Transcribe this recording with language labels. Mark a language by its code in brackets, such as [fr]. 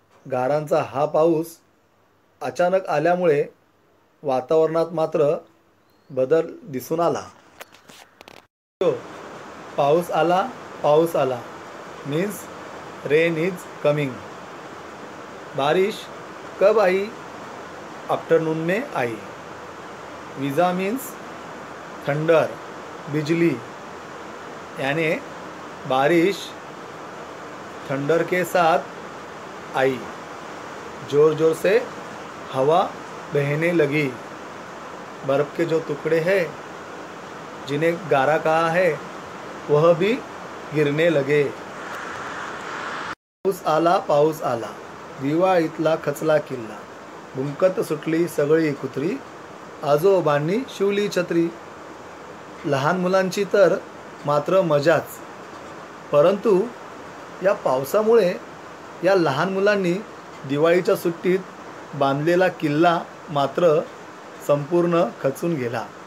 [mr] गारांचा हा पाऊस अचानक आल्यामुळे वातावरणात मात्र बदल दिसून आला। पाऊस आला पाऊस आला [en] means rain is coming, [hi] बारिश कब आई? आफ्टरनून में आई। विजा [en] means thunder, [hi] बिजली, यानी बारिश थंडर के साथ आई, जोर जोर से हवा बहने लगी। बर्फ़ के जो टुकड़े हैं जिन्हें गारा कहा है वह भी गिरने लगे। [mr] पाऊस आला दिवा इतला खचला किल्ला, भुंकत सुटली सगळी कुत्री, आजोबांनी शिवली छत्री। लहान मुलांची तर मात्र मजाच, परंतु या पावसामुळे या लहान मुलांनी दिवाळीच्या सुट्टीत बांधलेला किल्ला मात्र संपूर्ण खचून गेला।